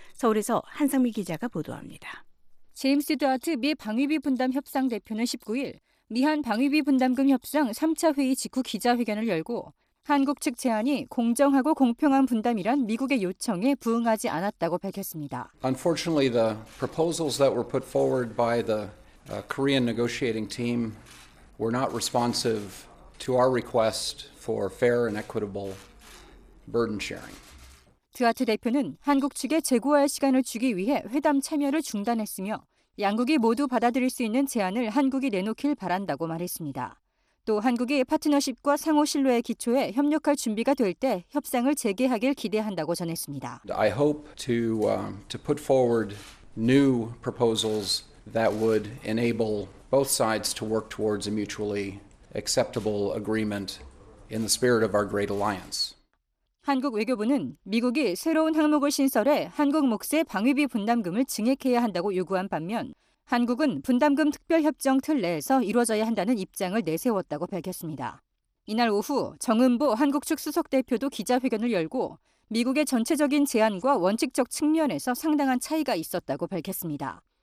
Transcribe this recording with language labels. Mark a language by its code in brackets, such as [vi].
[ko] 서울에서 한상미 기자가 보도합니다. 제임스 듀아트 미 방위비 분담 협상 대표는 19일 미한 방위비 분담금 협상 3차 회의 직후 기자회견을 열고 한국 측 제안이 공정하고 공평한 분담이란 미국의 요청에 부응하지 않았다고 밝혔습니다. [en] Unfortunately, the proposals that were put forward by the Korean negotiating team were not responsive to our request for fair and equitable burden sharing. [ko] 듀아트 대표는 한국 측에 재고할 시간을 주기 위해 회담 참여를 중단했으며 양국이 모두 받아들일 수 있는 제안을 한국이 내놓길 바란다고 말했습니다. 또 한국이 파트너십과 상호 신뢰의 기초에 협력할 준비가 될 때 협상을 재개하길 기대한다고 전했습니다. [en] I hope to put forward new proposals that would enable both sides to work towards a mutually acceptable agreement in the spirit of our great alliance. [ko] 한국 외교부는 미국이 새로운 항목을 신설해 한국 몫의 방위비 분담금을 증액해야 한다고 요구한 반면 한국은 분담금 특별협정 틀 내에서 이루어져야 한다는 입장을 내세웠다고 밝혔습니다. 이날 오후 정은보 한국 측 수석대표도 기자회견을 열고 미국의 전체적인 제안과 원칙적 측면에서 상당한 차이가 있었다고 밝혔습니다.